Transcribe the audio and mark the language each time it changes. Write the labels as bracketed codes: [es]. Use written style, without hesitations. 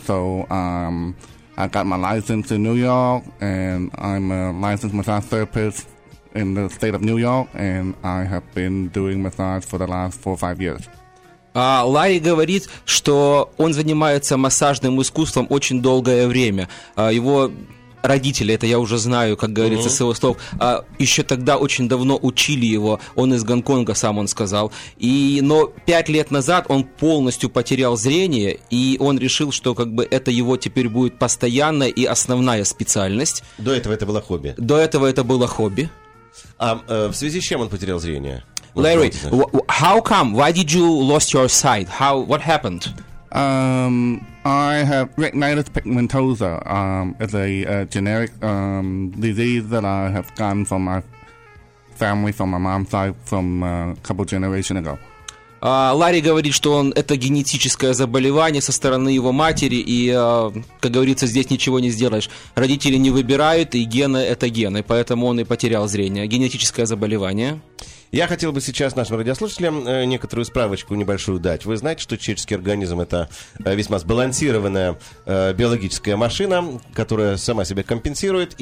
[en] So I got my license in New York, and I'm a licensed massage therapist in the state of New York, and I have been doing massage for the last 4 or 5 years. [ru] Ларри говорит, что он занимается массажным искусством очень долгое время. Его родители, это я уже знаю, как говорится, с его слов, еще тогда очень давно учили его. Он из Гонконга, сам он сказал. Но 5 лет назад он полностью потерял зрение, и он решил, что как бы это его теперь будет постоянная и основная специальность. До этого это было хобби. До этого это было хобби. А в связи с чем он потерял зрение? [en] Larry, how come? Why did you lost your sight? How? What happened? I have retinitis pigmentosa. It's a generic disease that I have gotten from my family, from my mom's side, from a couple generations ago. [ru] Ларри говорит, что это генетическое заболевание со стороны его матери, и, как говорится, здесь ничего не сделаешь. Родители не выбирают, и гены – это гены, поэтому он и потерял зрение. Генетическое заболевание. Я хотел бы сейчас нашим радиослушателям некоторую справочку небольшую дать. Вы знаете, что человеческий организм – это весьма сбалансированная биологическая машина, которая сама себя компенсирует.